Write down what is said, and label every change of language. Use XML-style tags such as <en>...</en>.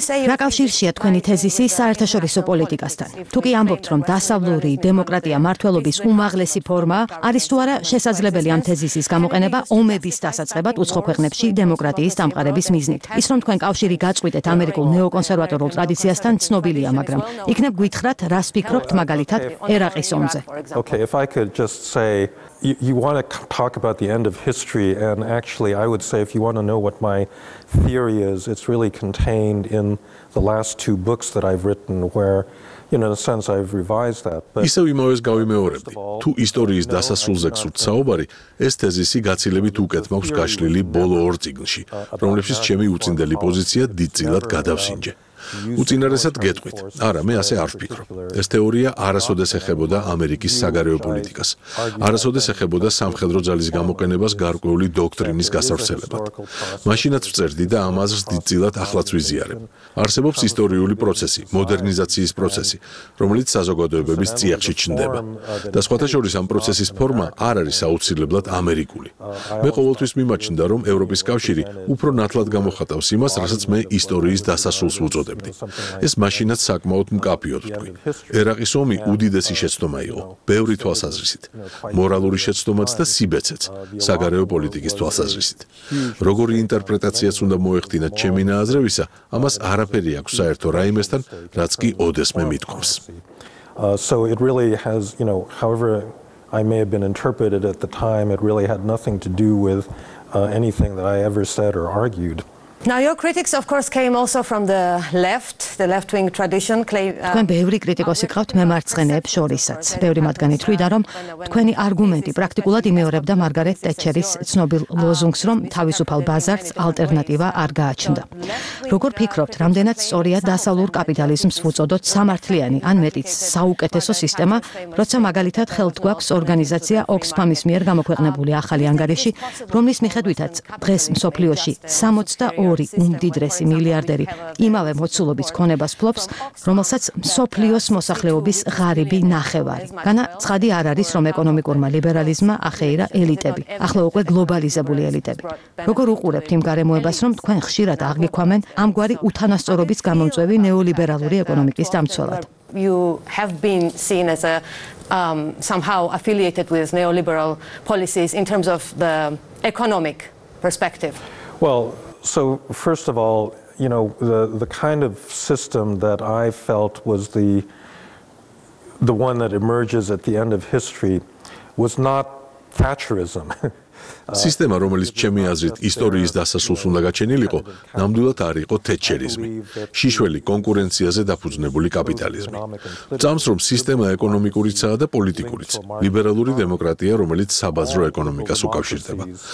<ka>რა კავშირშია თქვენი თეზისი საერთაშორისო პოლიტიკასთან? თუ კი ამბობთ, რომ დასავლური დემოკრატია მართლობის უმაღლესი ფორმა, არის თუ არა შესაძლებელი ამ თეზისის გამოყენება ომების დასაწყებად უცხო ქვეყნებში დემოკრატიის დამყარების მიზნით? ის რომ თქვენ კავშირი გაწყვეტთ ამერიკულ ნეოკონსერვატორულ ტრადიციასთან ცნობილია, მაგრამ იქნებ გვითხრათ, რას ფიქრობთ მაგალითად ერაყის ომზე?</ka> <en>Okay, if I could just say you want to talk about the end of history, and actually I would say if you want to know what my theory is, it's really contained in the last two books that I've written, where you know, in a sense I've revised that.</en> <ka>But ისე იმავეს გავიმეორებდი. თუ ისტორიის დასასრულზე გსურთ საუბარი, ეს თეზისი გაცილებით უკეთ მაქვს გაშლილი ბოლო ორ წიგნში, რომლებშიც ჩემი უწინდელი პოზიცია დიდწილად გადავსინჯე. უწინარესად გეტყვით. არა, მე ასე არ ვფიქრობ. ეს თეორია არასოდეს ეხებოდა ამერიკის საგარეო პოლიტიკას. არასოდეს ეხებოდა სამხედრო ძალის გამოყენებას გარკვეული დოქტრინის გასავრცელებლად. მაშინაც ვწერდი და ამ აზრს დიდწილად ახლაც ვიზიარებ. არსებობს ისტორიული პროცესი, მოდერნიზაციის პროცესი, რომელიც საზოგადოებების წიაღში ჩნდება. და სხვათა შორის ამ პროცესის ფორმა არ არის აუცილებლად ამერიკული. მე ყოველთვის მიმაჩნდა, რომ ევროპის კავშირი უფრო ნათლად გამოხატავს იმას, რასაც მე ისტორიის დასასრულს უწოდებდი. ეს მაშინაც საკმაოდ მკაფიოდ ვთქვი. ერაყის ომი უდიდესი შეცდომა იყო, ბევრი თვალსაზრისით. მორალური შეცდომაც და სიბეცეც, საგარეო პოლიტიკის თვალსაზრისით. როგორი ინტერპრეტაციაც უნდა მოეხდინათ ჩემი ნააზრევისა, ამას არაფერი აქვს საერთო რაიმესთან, რაც კი ოდესმე მითქოს.</ka> <en>So it really has, you know, however I may have been interpreted at the time, it really had nothing to do with anything that I ever said or argued. Now your critics of course came also from the left-wing tradition.</en> <ka>თქვენ ბევრი კრიტიკოსი გყავთ მემარცხენეებს შორისაც. ბევრი მათგანი თვლიდა, რომ თქვენი არგუმენტი პრაქტიკულად იმეორებდა მარგარეტ ტეტჩერის ცნობილ ლოზუნგს, რომ თავისუფალ ბაზარს ალტერნატივა არ გააჩნდა. როგორ ფიქრობთ, რამდენად სწორია დასავლურ კაპიტალიზმს უწოდოთ სამართლიანი, ან მეტიც საუკეთესო სისტემა, როცა მაგალითად ხელთ გვაქვს ორგანიზაცია Oxfam-ის მიერ გამოქვეყნებული ახალი ანგარიში, რომლის მიხედვითაც დღეს მსოფლიოში 62 უმდიდრესი მილიარდერი იმავე მოცულობის ქონებას ფლობს, რომელსაც მსოფლიოს მოსახლეობის ღარიბი ნახევარი. განა ცხადი არ არის, რომ ეკონომიკურმა ლიბერალიზმმა ახეირა ელიტები, ახლა უკვე გლობალიზებული ელიტები. როგორ უყურებთ იმ გარემოებას, რომ თქვენ ხშირად აღგიქვამენ ამგვარი უთანასწორობის გამომწვევი ნეოლიბერალური ეკონომიკის დამცველად?</ka> <en>You have been seen as a somehow affiliated with neoliberal policies in terms of the economic perspective. Well, so first of all, you know, the kind of system that I felt was the one that emerges at the end of history was not Thatcherism.</en> <ka>სისტემა, რომელიც ჩემი აზრით ისტორიის დასასრულს უნდა გაჩენილიყო, ნამდვილად არ იყო თეთჩერიზმი, შიშველი კონკურენციაზე დაფუძნებული კაპიტალიზმი. წამს რომ სისტემა ეკონომიკურიცაა და პოლიტიკურიც, ლიბერალური დემოკრატია, რომელიც საბაზრო ეკონომიკას უკავშირდება.</ka>